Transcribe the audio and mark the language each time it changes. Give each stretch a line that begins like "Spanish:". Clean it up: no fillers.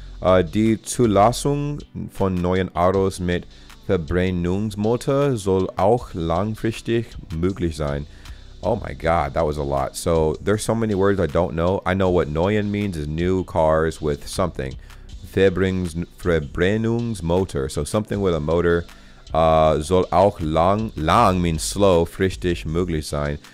German: Die Zulassung von neuen Autos mit Verbrennungsmotor soll auch langfristig möglich sein.
English: Oh my god, that was a lot. So there's so many words I don't know. I know what neuen means is new cars with something. Verbrennungsmotor. So something with a motor.
German: Soll auch lang
English: means slow,
German: fristig möglich sein.